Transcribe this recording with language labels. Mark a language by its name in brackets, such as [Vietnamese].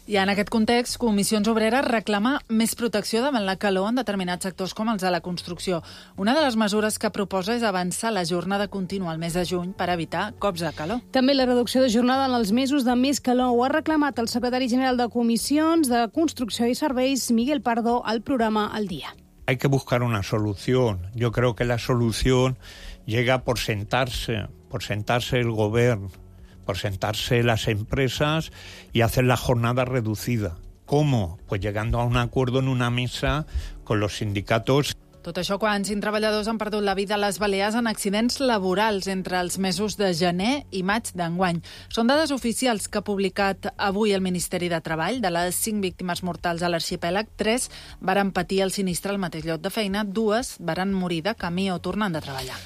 [Catalan] I en aquest context, Comissions Obreres reclama més protecció davant la calor en determinats sectors com els de la construcció. Una de les mesures que proposa és avançar la jornada contínua al mes de juny per evitar cops de calor. També la reducció de jornada en els mesos de més calor ho ha reclamat el secretari general de Comissions de Construcció i Serveis, Miguel Pardo, al programa El Dia. [Spanish] Hay que buscar una solución. Yo creo que la solución llega por sentarse el gobierno, por sentarse las empresas y hacer la jornada reducida. ¿Cómo? Pues llegando a un acuerdo en una mesa con los sindicatos. [Catalan] Tot això quan 5 treballadors han perdut la vida a les Balears en accidents laborals entre els mesos de gener i maig d'enguany. Són dades oficials que ha publicat avui el Ministeri de Treball. De les 5 víctimes mortals a l'arxipèlag, 3 varen patir el sinistre al mateix lloc de feina, 2 varen morir de camí o tornant de treballar.